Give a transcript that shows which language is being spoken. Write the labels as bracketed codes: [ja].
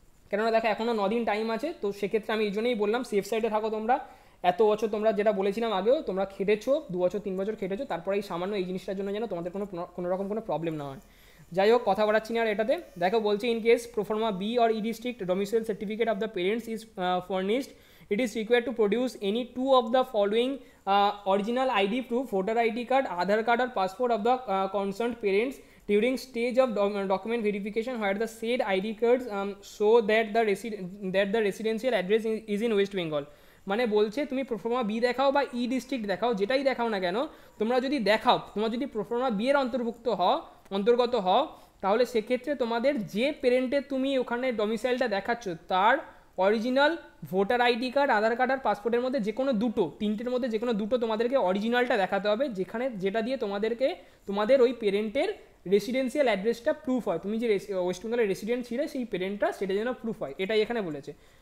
[bn] কেননা দেখো এখনও 9 দিন টাইম আছে, তো সেক্ষেত্রে আমি এই জন্যই বললাম সেফ সাইডে থাকো তোমরা, এত বছর তোমরা যেটা বলেছিলাম আগেও তোমরা খেটেছো, 2-3 বছর খেটেছো, তারপরে এই সামান্য এই জিনিসটার জন্য যেন তোমাদের কোনোরকম কোনো প্রবলেম না হয়। যাই হোক, কথা বাড়াচ্ছি না আর এটাতে। দেখো বলছে, [en] In case proforma B or E district domicile certificate of the parents is furnished it is required to produce any two of the following original ID proof, voter ID card, Aadhaar card or passport of the concerned parents during stage of document verification where the said ID cards show that the residential address is in West Bengal. [bn] মানে বলছে তুমি proforma B দেখাও বা ই district দেখাও, যেটাই দেখাও না কেন, তোমরা যদি দেখাও, তোমরা যদি প্রোফর্মা বি এর অন্তর্ভুক্ত হও, অন্তর্গত হও, তাহলে সেক্ষেত্রে তোমাদের যে পেরেন্টে তুমি ওখানে ডোমিসাইলটা দেখাচ্ছ তার অরিজিনাল ভোটার আইডি কার্ড, আধার কার্ড আর পাসপোর্টের মধ্যে যে কোনো দুটো, তিনটের মধ্যে যে কোনো দুটো তোমাদেরকে অরিজিনালটা দেখাতে হবে, যেখানে যেটা দিয়ে তোমাদেরকে তোমাদের ওই পেরেন্টের রেসিডেন্সিয়াল অ্যাড্রেসটা প্রুফ হয়, তুমি যে ওয়েস্ট বেঙ্গলের রেসিডেন্ট ছিলে সেই পেরেন্টটা সেটা যেন প্রুফ হয়, এটাই এখানে বলেছে।